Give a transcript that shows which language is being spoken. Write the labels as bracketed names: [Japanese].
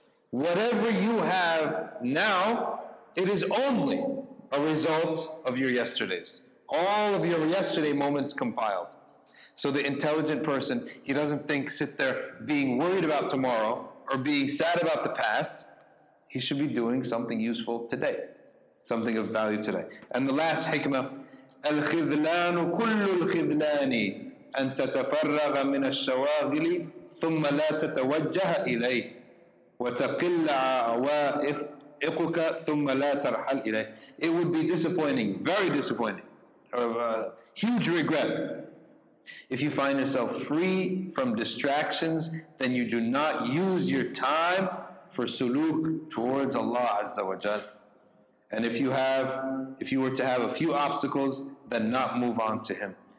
[English] Whatever you have now, it is only a result of your yesterdays. All of your yesterday moments compiled. So the intelligent person, he doesn't think, sit there being worried about tomorrow or being sad about the past. He should be doing something useful today, something of value today. And the last hikmah, [Arabic] الخذلان كل الخذلان أن تتفرغ من الشواغل ثم لا تتوجه إليه وتقل عوائفك ثم لا ترحل إليه. [English] It would be disappointing, very disappointing, huge regret. If you find yourself free from distractions, then you do not use your time for suluk towards Allah Azza wa Jal. And if you were to have a few obstacles, then not move on to Him.